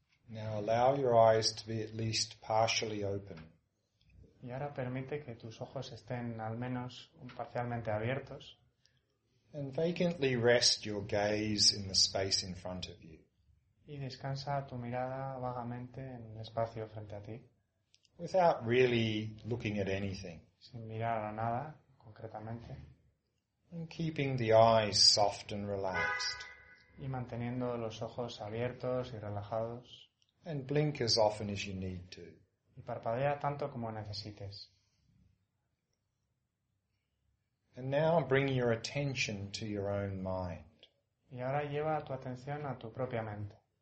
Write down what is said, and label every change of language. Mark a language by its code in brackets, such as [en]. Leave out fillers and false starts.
[en] Now allow your eyes to be at least partially open. [es] Y ahora permite que tus ojos estén al menos parcialmente abiertos. [en] And vacantly rest your gaze in the space in front of you. [es] Y descansa tu mirada vagamente en el espacio frente a ti. [en] Without really looking at anything. [es] Sin mirar a nada concretamente. [en] And keeping the eyes soft and relaxed. [es] Y manteniendo los ojos abiertos y relajados. [en] And blink as often as you need to. [es] Y parpadea tanto como necesites. [en] And now bring your attention to your own mind. [es] Y ahora lleva tu atención a tu propia mente.